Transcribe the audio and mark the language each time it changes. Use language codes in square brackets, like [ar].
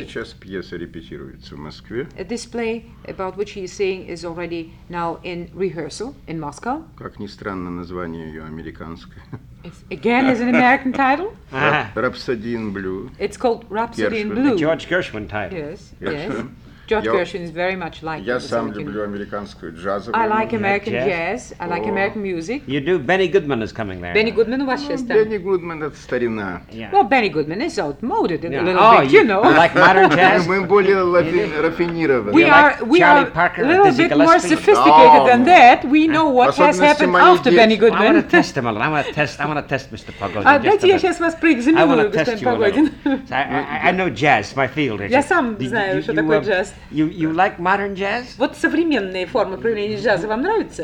[ru] Это сейчас пьеса репетируется в Москве. [en] This play about which he is saying is already now in rehearsal in Moscow. [ru] Как ни странно, название ее американское. [en] It's again is an American title. Rhapsody in Blue. It's called Rhapsody Gershwin. In Blue. The George Gershwin title. Yes, yes. George Gershwin is very much like [ru] я сам люблю американскую джазовую музыку. [en] I like American jazz. I like American music. You do. Benny Goodman is coming there. Benny Goodman was just there. [ru] Benny Goodman — это старина. [en] Well, Benny Goodman is outmoded a little bit, you know. Like modern jazz. [ru] Мы более рафинированы. [en] We are a little bit more sophisticated than that. We know what has happened after Benny Goodman. I want to test him a little. I want to test Mr. Погодин. А [ru] дайте я сейчас вас проэкзаменую, [en] Mr. Погодин. I know jazz. My field. [ru] Я сам знаю, что такое джаз. [en] You like modern jazz? [ru] Вот современные формы проявления джаза вам нравятся?